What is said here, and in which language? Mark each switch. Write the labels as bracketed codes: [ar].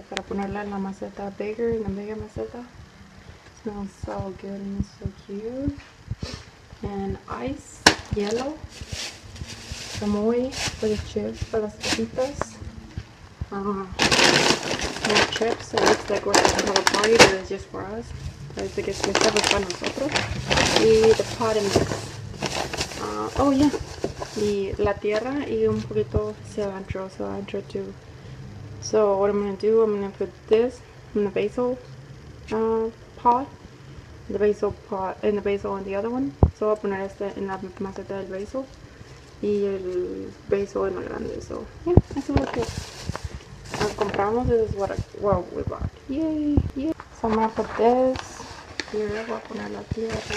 [es] Para ponerla en la maceta bigger, en la mega maceta. [en] Smells so good and so cute. And ice, yellow. Chamoy for the chips, for [es] las papitas. [en] More chips. It looks like we're gonna have a party, but it's just for us. [es] Parece que es para nosotros. Y [en] the pot and mix. Oh yeah. [es] Y la tierra y un poquito cilantro [en] too. So what I'm gonna do, I'm gonna put this in the basil pot. The basil pot and the basil on the other one. So I'll [es] poner este en la maceta del basil. Y el basil en lo grande. [en] So yeah, [es] eso es lo que compramos. [en] This is what we bought. Yay, yay. So I'm gonna put this. [es] Here, voy a poner la tierra.